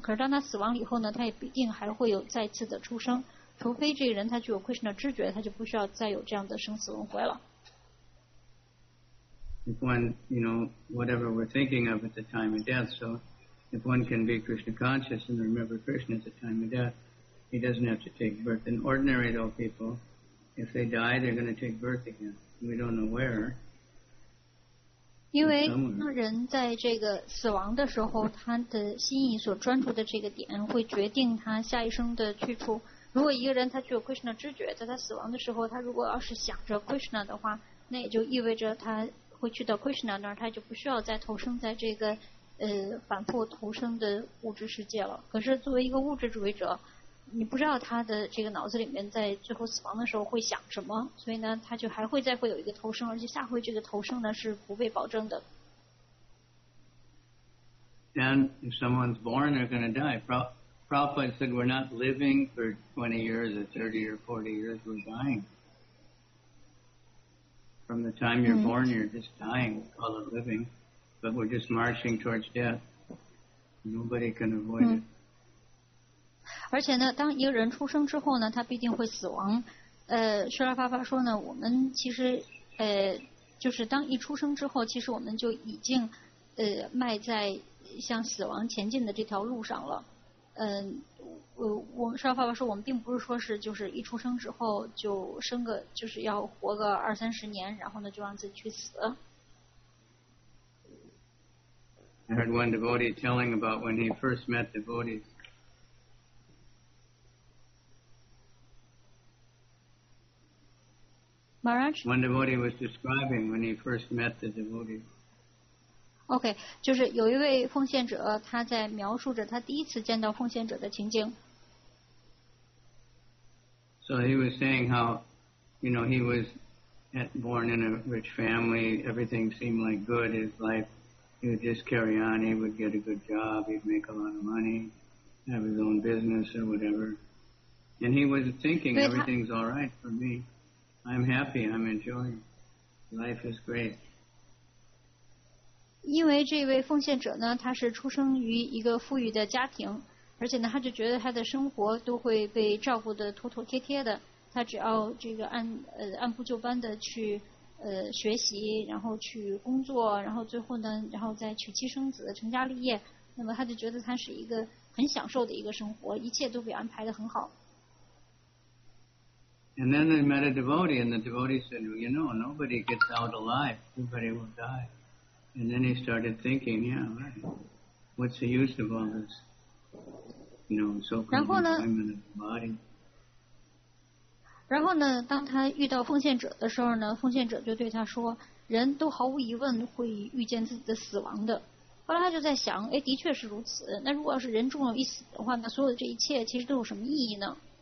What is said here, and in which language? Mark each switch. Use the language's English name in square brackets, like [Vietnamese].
[Chinese] 可是当他死亡以后呢，他也必定还会有再次的出生，除非这个人他具有 Krishna 知觉，他就不需要再有这样的生死轮回了。 [English] If one, you know, whatever we're thinking of at the time of death, so if one can be Krishna conscious and remember Krishna at the time of death, he doesn't have to take birth. And ordinary though people, if they die, they're going to take birth again. We don't know where. [Chinese] 因为人在这个死亡的时候，他的心意所专注的这个点会决定他下一生的去处。如果一个人他具有 Krishna 知觉，在他死亡的时候，他如果要是想着 Krishna 的话，那也就意味着他会去到 Krishna 那儿，他就不需要再投生在这个反复投生的物质世界了。可是作为一个物质主义者，你不知道他的这个脑子里面在最后死亡的时候会想什么，所以呢，他就还会再会有一个投生，而且下回这个投生呢是不被保证的。 [English] And if someone's born, they're going to die. Prabhupada said, "We're not living for 20 years or 30 or 40 years. We're dying." From the time you're born, you're just dying. We call it living, but we're just marching towards death. Nobody can avoid it. [Chinese] 而且呢，当一个人出生之后呢，他必定会死亡。舍拉巴巴说呢，我们其实就是当一出生之后，其实我们就已经迈在向死亡前进的这条路上了。舍拉巴巴说，我们并不是说是就是一出生之后就生个就是要活个二三十年，然后呢就让自己去死。 [English] I heard one devotee telling about when he first met devotees. One devotee was describing when he first met the devotee. [Chinese] Okay, 就是有一位奉献者，他在描述着他第一次见到奉献者的情景。 [English] So he was saying how, you know, he was born in a rich family. Everything seemed like good. His life, he would just carry on. He would get a good job. He'd make a lot of money, have his own business or whatever. And he was thinking everything's all right for me. I'm happy. I'm enjoying. Life is great. [Chinese] 因为这位奉献者呢，他是出生于一个富裕的家庭，而且呢，他就觉得他的生活都会被照顾得妥妥帖帖的。他只要这个按部就班的去学习，然后去工作，然后最后呢，然后再娶妻生子，成家立业。那么他就觉得他是一个很享受的一个生活，一切都被安排得很好。 [English] And then they met a devotee, and the devotee said, well, you know, nobody gets out alive. Everybody will die. And then he started thinking, yeah, right. What's the use of all this, you know, so-called employment of the body? [Chinese] 然后呢，当他遇到奉献者的时候呢，奉献者就对他说，人都毫无疑问会遇见自己的死亡的。后来他就在想，哎，的确是如此。那如果要是人终有一死的话，那所有的这一切其实都有什么意义呢？